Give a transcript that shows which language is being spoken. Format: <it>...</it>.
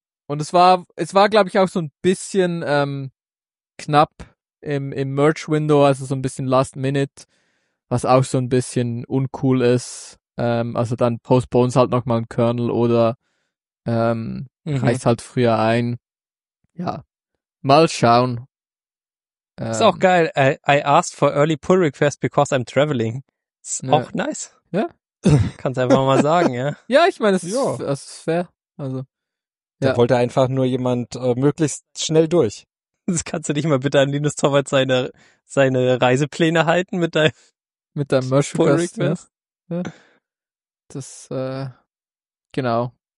<de>Und es war, glaube ich, auch so ein bisschen knapp im Merge-Window, also so ein bisschen Last-Minute, was auch so ein bisschen uncool ist. Also dann postpones halt nochmal einen Kernel oder reicht halt früher ein. Ja, mal schauen. Ist auch geil.</de> <en>I asked for early pull request because I'm traveling.</en> <de>Ist ja auch nice. Ja. Kannst einfach mal sagen, ja. Ja, ich meine, das ist fair. Also. Da wollte einfach nur jemand möglichst schnell durch. Das kannst du nicht mal bitte an Linus Torvalds seine Reisepläne halten mit deinem Merge-Pull-Request. Ja. Das, genau.</de>